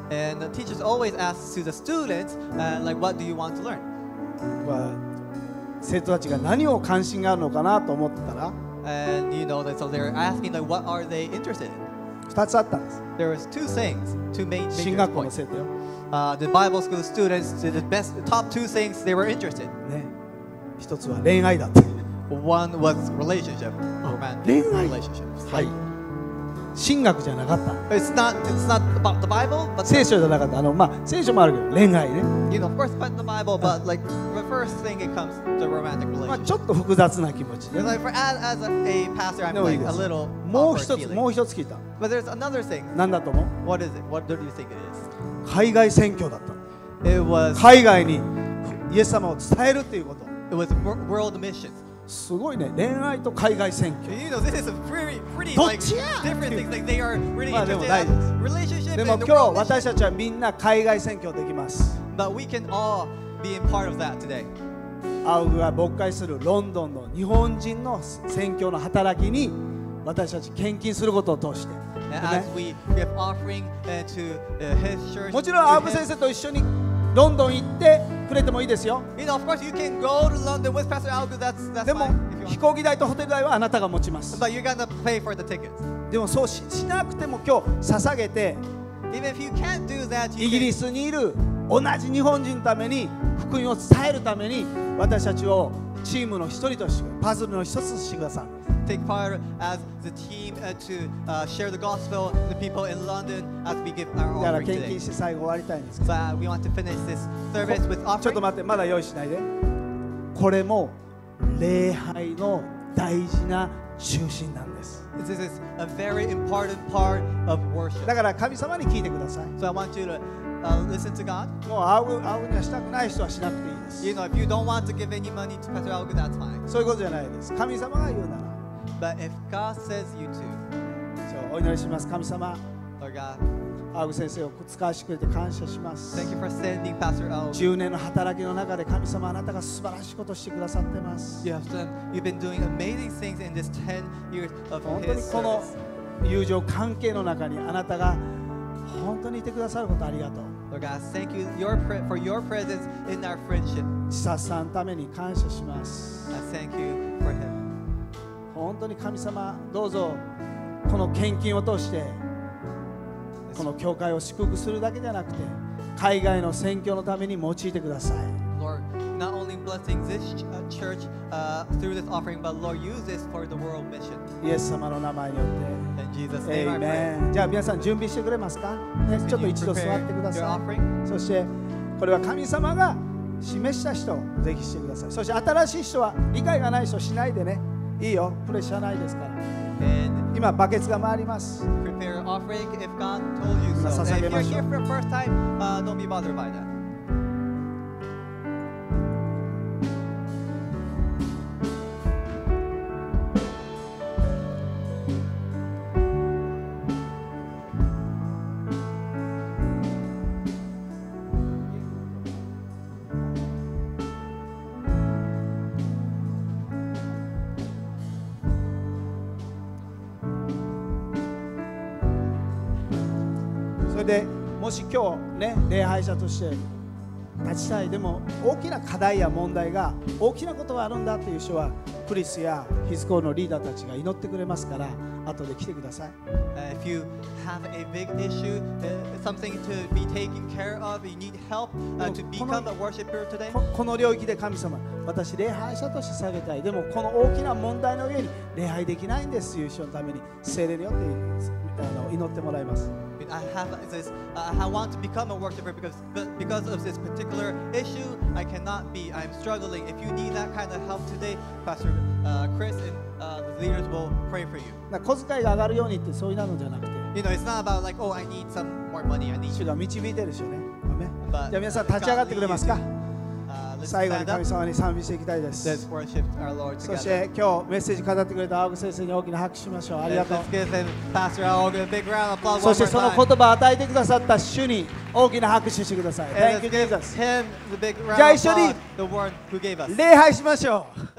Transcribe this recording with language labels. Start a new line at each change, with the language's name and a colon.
English: And the teachers always ask to the students, like, what do you want to learn?
Japanese: 生徒たちが何を関心があるのかなと思ってたら、
English: and you know that, so they're asking like what are they interested in?
Japanese: 二つあったんです。
English: There was two things, two main
Japanese: things. 進学校の生徒よ。
English: The Bible school students did the best top two things they were interested in.
Japanese: ね、一つは恋愛だって。
English: One was relationship, romantic relationships.
Japanese: はい。進学じゃなかった。
English: It's not about the Bible, but
Japanese: 聖書じゃなかった。聖書もあるけど恋愛ね。
English: You know, first part the Bible, but like the first thing it comes the romantic relationship.
Japanese: ちょっと複雑な気持ち。
English: Like for, as a pastor, I'm like a little
Japanese: もう一つ聞いた。
English: But there's another thing.
Japanese: 何だと思う？
English: What is it? What do you think it is?
Japanese: 海外宣教だった。
English: It was
Japanese: 海外にイエス様を伝えるっていうこと。
English: It was world missions.
Japanese: すごいね、恋愛と海外選挙。
English: You know, this is a pretty, pretty,
Japanese: どっちや、
English: like, different things. Like, they are really
Japanese: まあでも大事です。Relationship でも今日私たちはみんな海外選挙できます。
English: But we can all be in part of that today.
Japanese: アウグが牧会するロンドンの日本人の選挙の働きに私たち献金することを通して。
English: as we give offering to his church.
Japanese: もちろんアーブ先生と一緒にロンドン行ってくれてもいいですよ。
English: You know, of course you can go to London with Pastor Algu. That's
Japanese: でも飛行機代とホテル代はあなたが持ちます。
English: But you're gonna pay for the tickets.
Japanese: でもそう しなくても今日捧げて。
English: Even if you can't do that,
Japanese: you イギリスにいる同じ日本人のために福音を伝えるために私たちをチームの一人としてパズルの一つとしてください。
English: Take part as the team to share the gospel to the people in London as we give our offering.
Japanese: だから献金して最後終わりたいんですけど。
English: So we want to finish this service with offering.
Japanese: ちょっと待って、まだ用意しないで。これも礼拝の大事な中心なんです。
English: This is a very important part of worship.
Japanese: だから神様に聞いてください。
English: So I want you to listen to God.
Japanese: もう会うにはしたくない人はしなくていいです。
English: You know, if you don't want to give any money to Pastor Algu, that's fine.
Japanese: そういうことじゃないです。神様が言うなら。
English: But if God says you to,
Japanese: so, お祈りします神様。
English: Lord God,
Japanese: アーグ先生を使わせてくれて感謝します。
English: Thank you for sending Pastor
Japanese: Algu. 10年の働きの中で神様あなたが素晴らしいことをしてくださってます。
English: You've been doing amazing things in this 10 years of His.
Japanese: 本当にこの友情関係の中にあなたが本当にいてくださることありがとう。
English: Lord God, thank you for your presence in our friendship.
Japanese: チサさんのために感謝します。
English: I thank you for him.
Japanese: 本当に神様どうぞこの献金を通してこの教会を祝福するだけじゃなくて海外の宣教のために用いてください。
English: Lord, not only blessing this church through this offering, but Lord, use this for the world mission.
Japanese: イエス様の名前によって。
English: In Jesus' name, I pray.
Japanese: じゃあ皆さん準備してくれますか？ね、ちょっと一度座ってください。そしてこれは神様が示した人をぜひしてください。そして新しい人は理解がない人しないでね。いいよ、プレッシャーないですから。今バケツが回ります。
English: prepare offering if God told you so.
Japanese: 捧げましょう。
English: If you're here for the first time, don't be bothered by that.
Japanese: もし今日、ね、礼拝者として立ちたい、でも大きな課題や問題が大きなことがあるんだという人はクリスやヒスコのリーダーたちが祈ってくれますから後で来てください。
English: If you have a big issue, something to be taken care of, you need help to become a worshiper today.
Japanese: この領域で神様、私礼拝者として下げたい、でもこの大きな問題の上に礼拝できないんですという人のために聖霊によって祈ってもらいます。
English: I have this. I want to become a worshiper because of this particular issue. I cannot be. I'm struggling. If you need that kind of help today, Pastor Chris and the leaders will pray for you.
Japanese: 小遣いが上がるようにってそういうなのじゃなくて。
English: You know, it's not about like, oh, I need some more money. I need.
Japanese: 主が導いてるしね。アメン。じゃあ皆さん立ち上がってくれますか。最後に神様に賛美していきたいです。
English: Let's worship our Lord together.
Japanese: そして今日メッセージ語ってくれた青木先生に大きな拍手しましょう。ありがとう。
English: Let's give Pastor Algu a big round of applause.
Japanese: そしてその言葉を与えてくださった主に大きな拍手してください。
English: Thank you, Jesus.
Japanese: じゃあ一緒に礼拝しましょう。